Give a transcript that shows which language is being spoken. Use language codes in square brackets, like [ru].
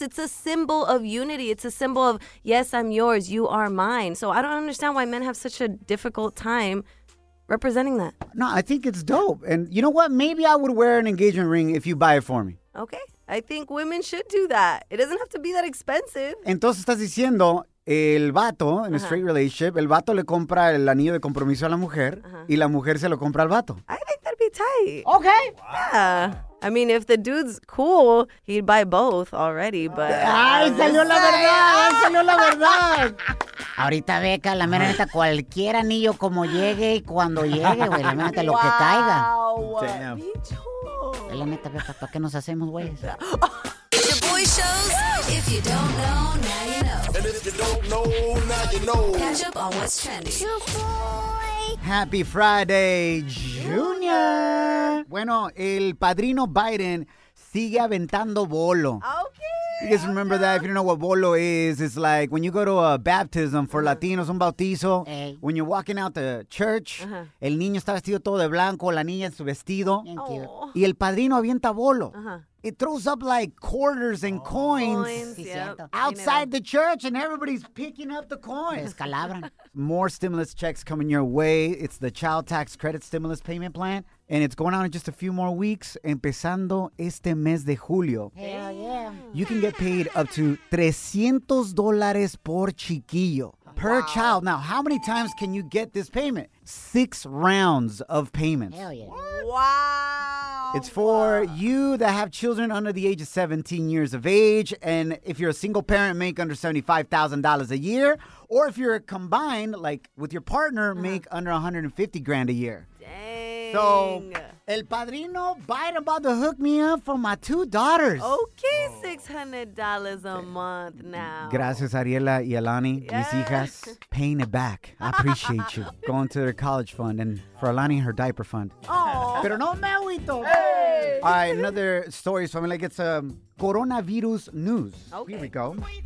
[en] It's a symbol of unity. It's a symbol of, yes, I'm yours, you are mine. So I don't understand why men have such a difficult time representing that. No, I think it's dope. And you know what? Maybe I would wear an engagement ring if you buy it for me. Okay. I think women should do that. It doesn't have to be that expensive. [es] Entonces estás diciendo, el vato, [en] in a straight relationship, [es] el vato le compra el anillo de compromiso a la mujer, y la mujer se lo compra al vato. [en] I think that'd be tight. Okay. Yeah. I mean, if the dude's cool, he'd buy both already, but... [es] ¡Ay, salió la verdad! ¡Salió la verdad! Ahorita, Beca, la mera neta, cualquier anillo como llegue y cuando llegue, güey, la mera neta, lo que caiga. [en] ¡Wow! [es] La neta, Beca, ¿para qué nos hacemos, güey? [en] Shaboy Shows, if you don't know, now you know. And if you don't know, now you know. Catch up on what's trending. Shaboy! Happy Friday, Junior! [es] Bueno, el padrino Biden sigue aventando bolo. [en] Okay. You guys remember that? If you don't know what bolo is, it's like when you go to a baptism for Latinos, [es] un bautizo. [en] Hey. When you're walking out the church, [es] el niño está vestido todo de blanco, la niña en su vestido. [en] Thank you. [es] Y el padrino avienta bolo. Uh-huh. [en] It throws up like quarters and coins. Coins, yep. Outside the church and everybody's picking up the coins. More stimulus checks coming your way. It's the Child Tax Credit Stimulus Payment Plan. And it's going on in just a few more weeks, [es] empezando este mes de julio. [en] Hell yeah. You can get paid up to $300 [es] por chiquillo, [en] per child. Now, how many times can you get this payment? 6 rounds of payments. Hell yeah. What? Wow. It's for you that have children under the age of 17 years of age. And if you're a single parent, make under $75,000 a year. Or if you're combined, like with your partner, make under $150,000 a year. Dang. So, el padrino Biden about to hook me up for my two daughters. Okay, $600 a month now. [es] Gracias, Ariela y Alani, mis hijas. [en] Paying it back. I appreciate you. Going to their college fund and for Alani, her diaper fund. Aww. [es] Pero no me aguito. [en] Hey. All right, another story. So, I mean, like, it's coronavirus news. Okay. Here we go.